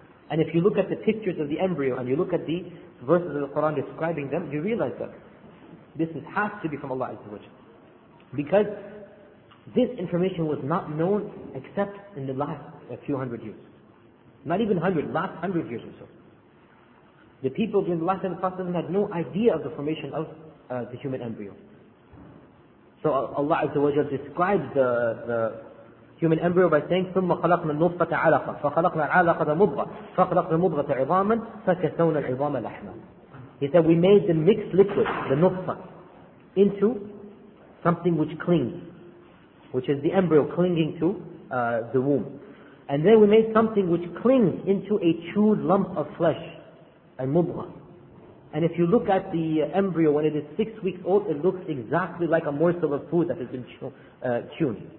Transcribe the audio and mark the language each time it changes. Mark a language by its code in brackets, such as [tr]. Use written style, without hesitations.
[en] And if you look at the pictures of the embryo and you look at the verses of the Quran describing them, you realize that this has to be from Allah Azza wa Jalla. Because this information was not known except in the last few hundred years. Not even hundred, last hundred years or so. The people during the last time the Prophet had no idea of the formation of the human embryo. So Allah Azza wa Jalla describes the human embryo by saying, [ar] ثُمَّ خَلَقْنَا النُّطْفَةَ عَلَقَةً فَخَلَقْنَا الْعَلَقَةَ مُضْغَةً فَخَلَقْنَا الْمُضْغَةَ عِظَامًا فَكَسَوْنَا الْعِظَامَ لَحْمًا. [en] He said, we made the mixed liquid, the nutfa, into something which clings, which is the embryo clinging to the womb. And then we made something which clings into a chewed lump of flesh, a mudgha. And if you look at the embryo when it is 6 weeks old, it looks exactly like a morsel of food that has been chewed.